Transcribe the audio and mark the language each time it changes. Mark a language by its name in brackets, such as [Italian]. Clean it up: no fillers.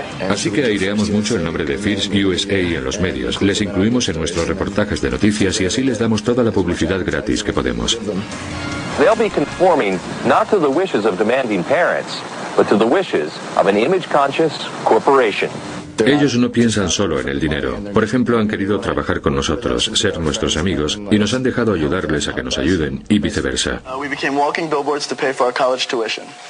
[Spanish] Así que aireamos mucho el nombre de First USA en los medios, les incluimos en nuestros reportajes de noticias y así les damos toda la publicidad gratis que podemos. [English] They'll be conforming not to the wishes of demanding parents, but to the wishes of an image-conscious corporation. [Spanish] Ellos no piensan solo en el dinero. Por ejemplo, han querido trabajar con nosotros, ser nuestros amigos, y nos han dejado ayudarles a que nos ayuden, y viceversa. [English] We became walking billboards to pay for our college tuition.